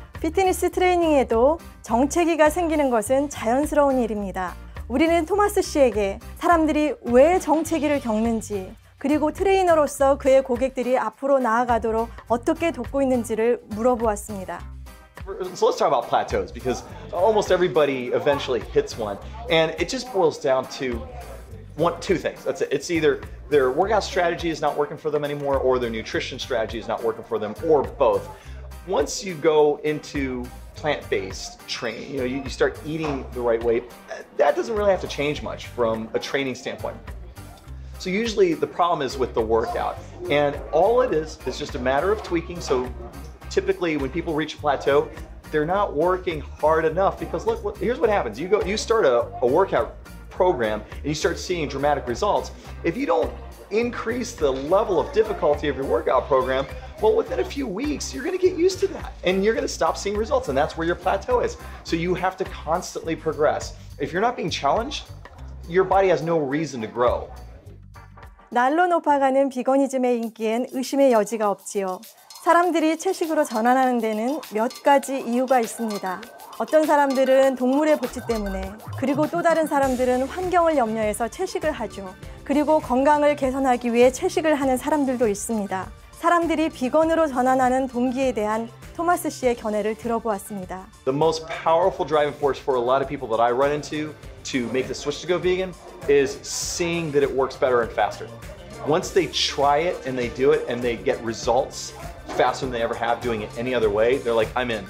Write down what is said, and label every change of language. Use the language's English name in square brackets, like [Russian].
[Korean] 피트니스 트레이닝에도 정체기가 생기는 것은 자연스러운 일입니다. 우리는 토마스 씨에게 사람들이 왜 정체기를 겪는지 그리고 트레이너로서 그의 고객들이 앞으로 나아가도록 어떻게 돕고 있는지를 물어보았습니다. [English] So let's talk about plateaus because almost everybody eventually hits one and it just boils down to one, two things. That's it. It's either their workout strategy is not working for them anymore or their nutrition strategy is not working for them or both. Once you go into plant-based training, you know, you start eating the right way, that doesn't really have to change much from a training standpoint. So usually the problem is with the workout and all it is just a matter of tweaking. So typically when people reach a plateau, they're not working hard enough because look, here's what happens. You start a workout program and you start seeing dramatic results. If you don't increase the level of difficulty of your workout program, well, within a few weeks, you're going to get used to that and you're going to stop seeing results. And that's where your plateau is. So you have to constantly progress. If you're not being challenged, your body has no reason to grow. [Korean] 날로 높아가는 비거니즘의 인기엔 의심의 여지가 없지요. 사람들이 채식으로 전환하는 데는 몇 가지 이유가 있습니다. 어떤 사람들은 동물의 복지 때문에, 그리고 또 다른 사람들은 환경을 염려해서 채식을 하죠. 그리고 건강을 개선하기 위해 채식을 하는 사람들도 있습니다. 사람들이 비건으로 전환하는 동기에 대한 토마스 씨의 견해를 들어보았습니다. [English] The most powerful driving force for a lot of people that I run into to make the switch to go vegan is seeing that it works better and faster. Once they try it and they do it and they get results faster than they ever have doing it any other way, they're like, I'm in.